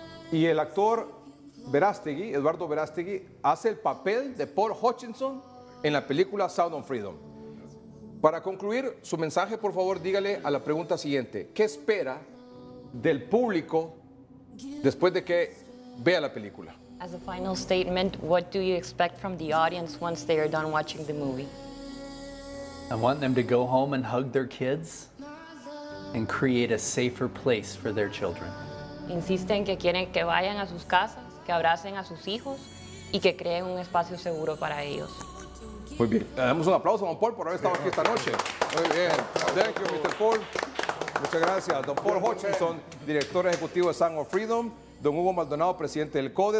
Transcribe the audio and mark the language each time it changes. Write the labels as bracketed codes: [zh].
[es] Y el actor Verástegui, Eduardo Verástegui, hace el papel de Paul Hutchinson en la película Sound of Freedom. Para concluir, su mensaje, por favor, dígale a la pregunta siguiente. ¿Qué espera del público después de que vea la película? [en] As a final statement, what do you expect from the audience once they are done watching the movie? I want them to go home and hug their kids and create a safer place for their children. [es] Insisten que quieren que vayan a sus casas, que abracen a sus hijos y que creen un espacio seguro para ellos. Muy bien. Damos un aplauso a Don Paul por haber estado aquí esta noche. Muy bien. [en] Thank you, Mr. Paul. [es] Muchas gracias. Don Paul Hutchinson, director ejecutivo de Sound of Freedom. Don Hugo Maldonado, presidente del CODE.